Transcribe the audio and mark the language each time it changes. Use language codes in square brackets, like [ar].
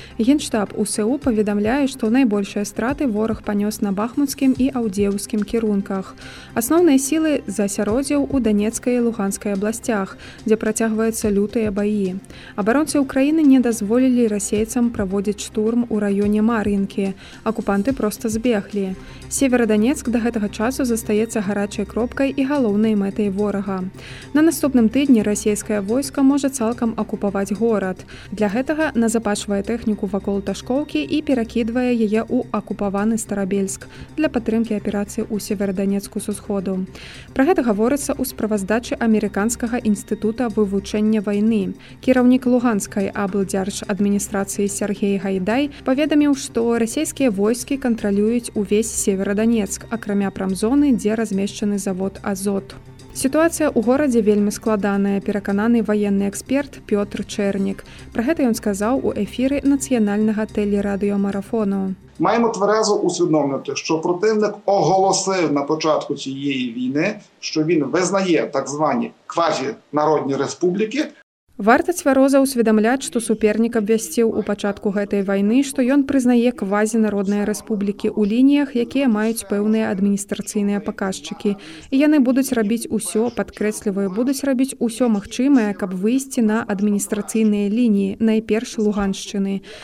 [uk] Генштаб УСУ повідомляє, що найбільші страти ворог поніс на Бахмутським і Авдіївським керунках. Основні сили засяродів у Донецькій і Луганській областях, де протягуються люті бої. Оборонці України не дозволили росіянам проводити штурм у районі Мар'їнки. Окупанти просто збігли. [be] Донецьк до гэтага часу застаецца гарачай кропкай і галоўнай мэтай ворага. На наступным тыдні расійскае войска можа цалкам акупаваць горад. Для гэтага назапашвае тэхніку вакол Ташкоўкі і перакідвае яе ў акупаваны Старабельск для падтрымкі аперацыі ў Севердонецьку з усходу. Пра гэта гаворыцца ў справаздачы Амерыканскага інстытута вывучэння вайны. Кіраўнік Луганскай аблдзяржадміністрацыі Сергей Гайдай паведаміў, што расійскія войскі кантралююць увесь Севердонецьк, акрамя прамзоны, дзе размешчаны завод «Азот». Сітуацыя ў горадзе вельмі складаная, перакананы ваенны эксперт Пётр Чэрнік. Пра гэта ён сказаў у эфіры нацыянальнага тэлерадыёмарафону. [uk] Маємо тверезо усвідомлювати, що противник оголосив на початку цієї війни, що він визнає так звані квазінародні республіки. [be] Варта цвяроза усвідамляць, што супернік абвясціў у пачатку гэтай вайны, што ён прызнае квазінародныя рэспублікі ў лініях, якія маюць пэўныя адміністрацыйныя паказчыкі. І яны будуць рабіць усё, падкрэсліваю, будуць рабіць усё магчымае, каб выйсці на адміністрацыйныя лініі, найперш Луганшчыны.